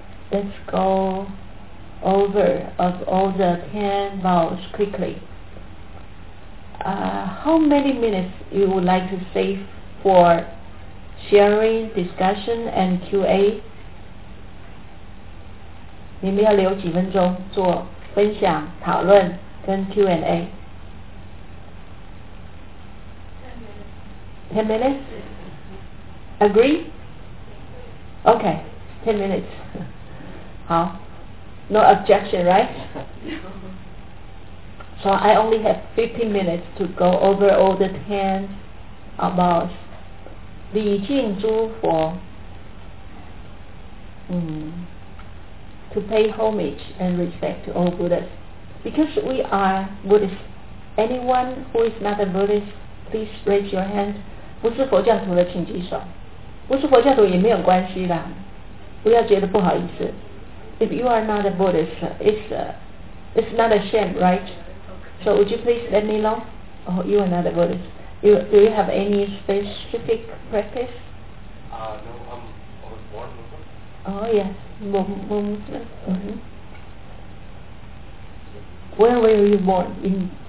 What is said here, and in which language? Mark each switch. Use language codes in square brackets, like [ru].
[en] Let's go over of all the 10 vows quickly. How many minutes you would like to save for sharing, discussion, and QA? [zh] 你们要留几分钟做分享、讨论跟 Q&A？ [en] 10 minutes? Agree? Okay, 10 minutes. 好 No objection, right? So I only have 15 minutes to go over all the 10 vows. [zh] 礼敬诸佛 [en] to pay homage and respect to all Buddhas. Because we are Buddhists, anyone who is not a Buddhist, please raise your hand. [zh] 不是佛教徒的请举手，不是佛教徒也没有关系啦，不要觉得不好意思。 [en] If you are not a Buddhist, it's not a shame, right? So would you please let me know? Oh, you are not a Buddhist. Do you have any specific practice? No, I was born Muslim. Oh yes, born Muslim. Mm-hmm. Where were you born? In?